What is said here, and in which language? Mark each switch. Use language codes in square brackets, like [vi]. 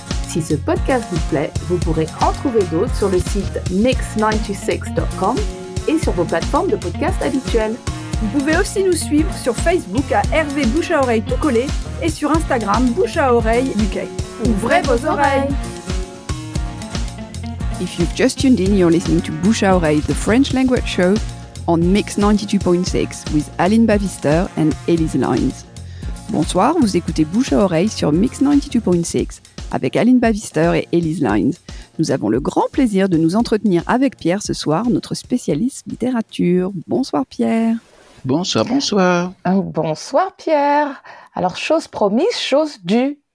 [fr] Si ce podcast vous plaît, vous pourrez en trouver d'autres sur le site mix96.com et sur vos plateformes de podcast habituelles. Vous pouvez aussi nous suivre sur Facebook à Hervé Bouche à Oreille tout collé et sur Instagram Bouche à Oreille UK. Ouvrez vos oreilles! [en] If you've just tuned in, you're listening to Bouche à Oreille, the French language show on Mix 92.6 with Aline Bavister and Elise Lines. [fr] Bonsoir, vous écoutez Bouche à Oreille sur Mix 92.6 avec Aline Bavister et Elise Lines. Nous avons le grand plaisir de nous entretenir avec Pierre ce soir, notre spécialiste littérature. Bonsoir Pierre. Bonsoir, bonsoir. Bonsoir Pierre. Alors chose promise, chose due.